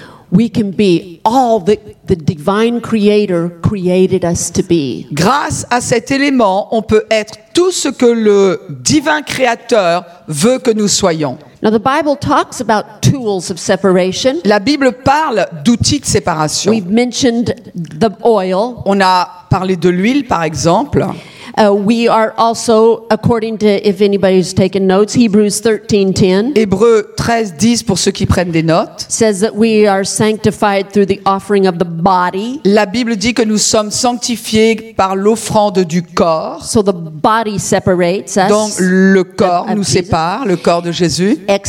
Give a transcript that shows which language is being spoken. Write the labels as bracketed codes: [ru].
[en] we can be all that the divine creator created us to be. [fr] Grâce à cet élément, on peut être tout ce que le divin créateur veut que nous soyons. [en] Now the Bible talks about tools of separation. [fr] La Bible parle d'outils de séparation. [en] We've mentioned the oil. [fr] On a parlé de l'huile, par exemple. [en] We are also, according to, if anybody's taken notes, Hebrews 13:10. [fr] Hébreux 13:10 pour ceux qui prennent des notes. [en] Says that we are sanctified through the offering of the body. [fr] La Bible dit que nous sommes sanctifiés par l'offrande du corps. [en] So the body separates us. [fr] Donc le corps nous sépare, le corps de Jésus.